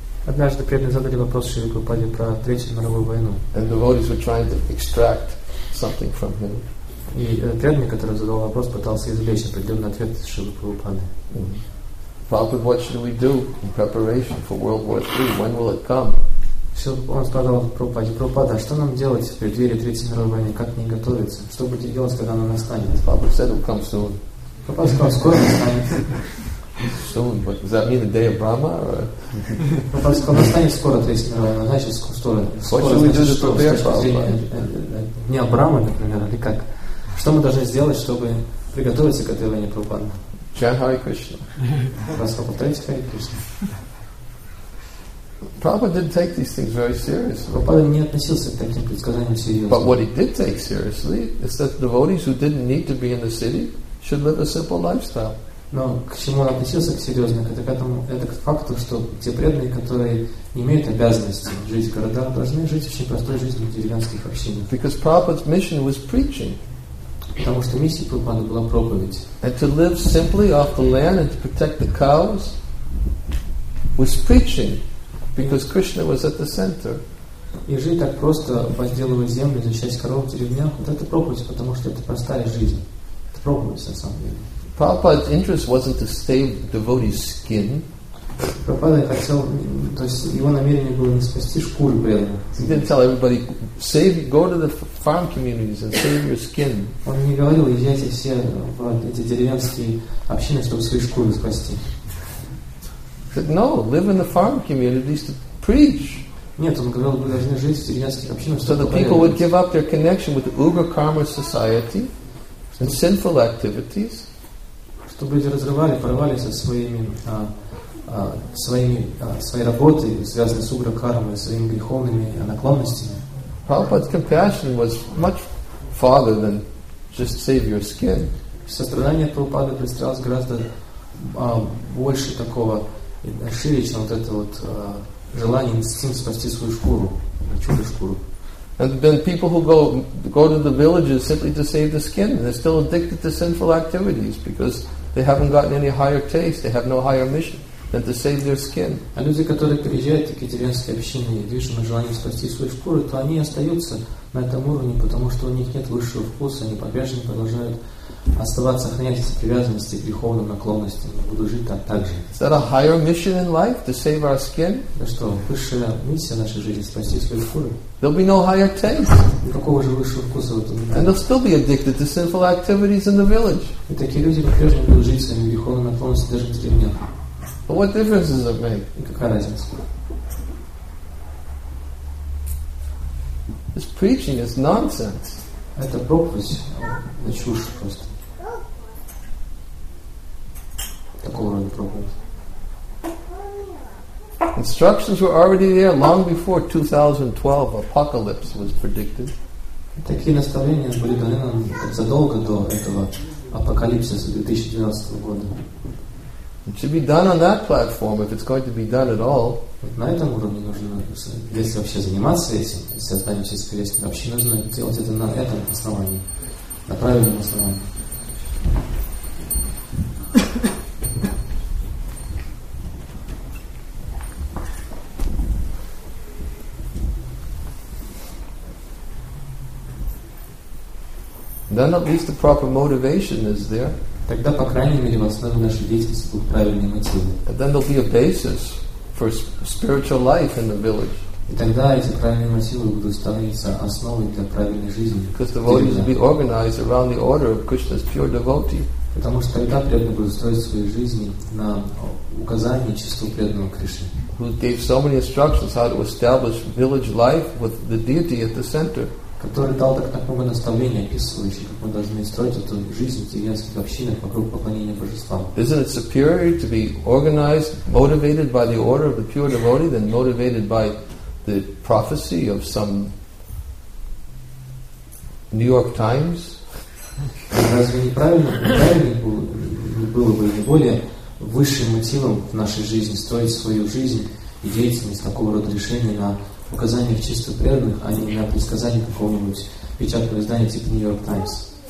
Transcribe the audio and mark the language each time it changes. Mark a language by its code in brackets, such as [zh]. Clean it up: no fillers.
[ru] Однажды преданные задали вопрос Шри Прабхупаде про Третью мировую войну. [en] And devotees were trying to extract something from him. [ru] И преданный, который задал вопрос, пытался извлечь определенный ответ из Шри Прабхупады. [en] Prabhupada, what should we do in preparation for World War III? When will it come? [ru] Все, он сказал Прабхупаде, что нам делать в преддверии Третьей мировой войны, как к ней готовиться, что будете делать, когда она настанет? Прабхупада сказал, скоро настанет. [en] Soon, but does that mean the day of Brahma? [ru] Прабхупада сказал, настанет скоро Третья мировая война, значит, скоро. [en] What should we do to prepare [ru] Prabhupada? Дня Брамы, например, или как? Что мы должны сделать, чтобы приготовиться к этой войне, Прабхупада? [en] Chant Hare Krishna. [ru] Прабхупада повторяйте Hare Krishna. [en] Prabhupada didn't take these things very seriously. [ru] Prabhupada не относился к таким предсказаниям серьезно. [en] But what he did take seriously is that devotees who didn't need to be in the city should live a simple lifestyle. [ru] Но к чему он относился к серьезно? Это к этому, это к факту, что те преданные, которые не имеют обязанности жить в городах, должны жить очень простой жизнью в деревенских общинах. [en] Because Prabhupada's mission was preaching. [ru] Потому что миссия Прабхупады была проповедь. [en] And to live simply off the land and to protect the cows was preaching. Because Krishna was at the center. [ru] И жить так просто, возделывая землю, защищать коров, деревнях, вот это проповедь, потому что это простая жизнь. Это проповедь, на самом деле. [en] Prabhupada's interest wasn't to save devotee's skin. [ru] Прабхупада хотел, то есть его намерение было не спасти шкуру преданных. [en] He didn't tell everybody, save, go to the farm communities and save your skin. [ru] Он не говорил, езжайте все в эти деревенские общины, чтобы свою шкуру спасти. [en] Said, no, live in the farm communities to preach. [ru] Нет, он говорил, вы должны жить в деревенских общинах. [en] So the people would give up their connection with the Uga Karma society and sinful activities. [ru] Чтобы люди разрывали, порвали со своими своими своей работой, связанной с Уга Кармой, своими греховными наклонностями. [en] Prabhupada's compassion was much farther than just save your skin. [ru] Сострадание Прабхупады представлялось гораздо больше такого. И шире, чем вот это вот желание, инстинкт спасти свою шкуру, чужую шкуру. [en] And then people who go to the villages simply to save the skin, they're still addicted to sinful activities because they haven't gotten any higher taste, they have no higher mission than to save their skin. [ru] А люди, которые приезжают в такие деревенские общины, движимы желанием спасти свою шкуру, то они остаются на этом уровне, потому что у них нет высшего вкуса, они по-прежнему продолжают оставаться, сохранять эти привязанности к греховным наклонностям. Буду жить там так же. [en] Is that a higher mission in life, to save our skin? [ru] Да что, высшая миссия нашей жизни — спасти свою шкуру. [en] There'll be no higher taste. [ru] Никакого же высшего вкуса в этом нет. [en] And they'll still be addicted to sinful activities in the village. [ru] И такие люди по-прежнему будут жить своими греховными наклонностями даже в деревнях. [en] But what difference does it make? [ru] И какая разница? [en] This preaching is nonsense. [ru] Это проповедь, это чушь просто. Такого рода проповедь. [en] Instructions were already there long before 2012 apocalypse was predicted. [ru] Такие наставления были даны нам задолго до этого апокалипсиса 2012 года. [en] It should be done on that platform if it's going to be done at all. [ru] На этом уровне нужно, если вообще заниматься этим, если останемся искренними, вообще нужно делать это на этом основании, на правильном основании. [en] Then at least the proper motivation is there. [ru] Тогда, по крайней мере, в основе нашей деятельности будут правильные мотивы. [en] And then there'll be a basis for spiritual life in the village. [ru] И тогда эти правильные мотивы будут становиться основой для правильной жизни. [en] Because the devotees will be organized around the order of Krishna's pure devotee. [ru] Потому что тогда преданные будут строить свою жизнь на указании чистого преданного Кришны. [en] Who gave so many instructions how to establish village life with the deity at the center. [ru] который дал так много наставлений, описывающих, как мы должны строить эту жизнь в деревенских общинах вокруг поклонения божествам. [en] Isn't it superior to be organized, motivated by the order of the pure devotee than motivated by the prophecy of some New York Times? [ru] Разве неправильно было бы более высшим мотивом в нашей жизни строить свою жизнь и деятельность такого рода решений на указаниях чисто преданных, а не на предсказания какого-нибудь печатного издания типа New York Times?